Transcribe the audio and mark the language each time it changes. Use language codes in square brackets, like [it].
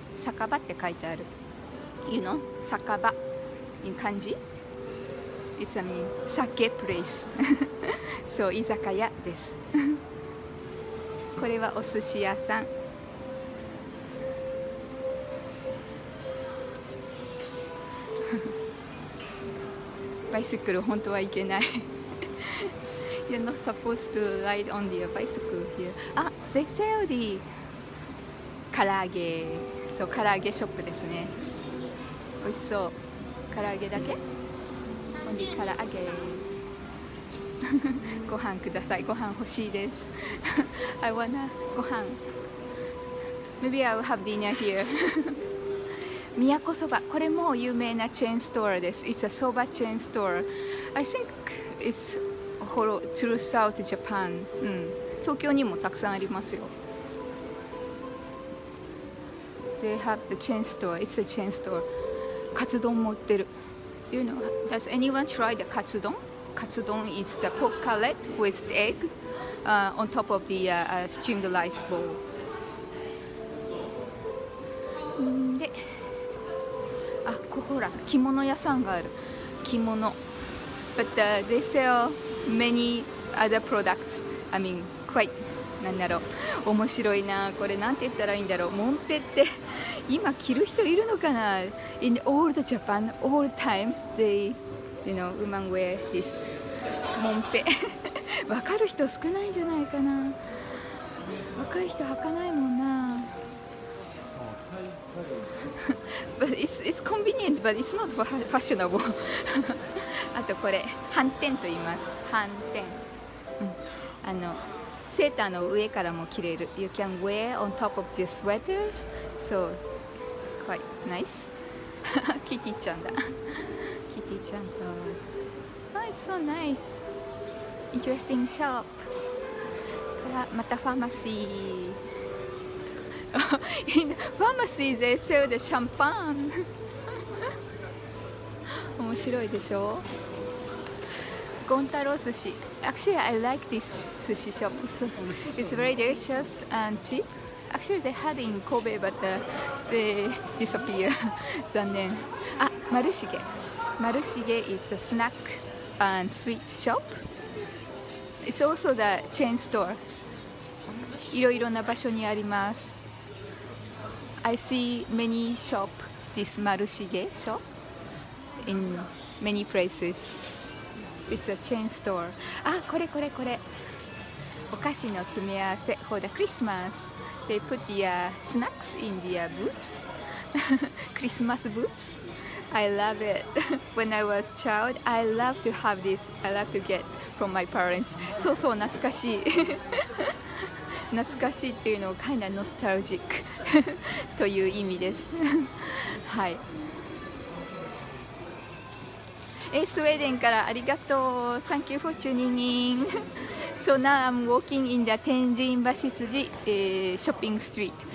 [ja] 酒場って書いてある。 [en] You know? 酒場。In 漢字 It's a mean 酒 place. [ja] そう、居酒屋です。これはお寿司屋さん。バイセクル、本当はいけない。 [en] You're not supposed to ride on the bicycle here. Ah, they sell the karaage. So, karaage shop [ja] ですね。美味しそう。 [en] karaage だけ？Only karaage. [ja] ご飯ください。ご飯欲しいです。 [en] I wanna [ja] ご飯。 [en] Maybe I'll have dinner here. 宮古そば。 [ja] これも有名なチェーンストアです。 [en] It's a soba chain store. I think it's... throughout Japan、 [ja] うん、東京にもたくさんありますよ。 [en] They have the chain store. It's a chain store. [ja] カツ丼も売ってる。 [en] Do you know, does anyone try the カツ丼? カツ丼 is the pork cutlet with the egg、on top of the、steamed rice bowl. [ja] で、あ、ここほら、着物屋さんがある。 [en] 着物。But、they sellmany other products. I mean, quite, [ja] 何だろう。面白いな。これなんて言ったらいいんだろう。モンペって今着る人いるのかな。 [en] In old Japan, old time, they, you know, women wear this モンペ。 [ja] わかる人少ないんじゃないかな。若い人履かないもんな。 [en] But it's convenient, but it's not fashionable. [ja] あとこれ、ハンテンと言います。ハンテン。あの、セーターの上からも着れる。 [en] You can wear on top of the sweaters. So, it's quite nice. [ja] キティちゃんだ。キティちゃんと。 [en] Oh, it's so nice. Interesting shop. [ja] またファーマシー。 [en] In pharmacy, they sell the champagne. [ja] 面白いでしょ。ゴンタロ寿司。 [en] Actually, I like this 寿司 shop. It's very delicious and cheap. Actually, they had in Kobe, but they disappear. [ja] 残念。 [en] あ、マルシゲ。マルシゲ is a snack and sweet shop. It's also the chain store. [ja] いろいろな場所にあります。 [en] I see many shop, this Marushige shop, in many places. It's a chain store. Ah, [ja] これこれこれ。お菓子の詰め合わせ [en] for the Christmas. They put the snacks in their boots. Christmas boots. I love it. When I was a child, I love to have this. I love to get from my parents. [ja] そうそう、懐かしい。懐かしいっていうのを [en] kind of nostalgic [ja] という意味です。はい。え、スウェーデンからありがとう。 [en] Thank you for tuning in. So now I'm walking in the Tenjinbashisuji、shopping street.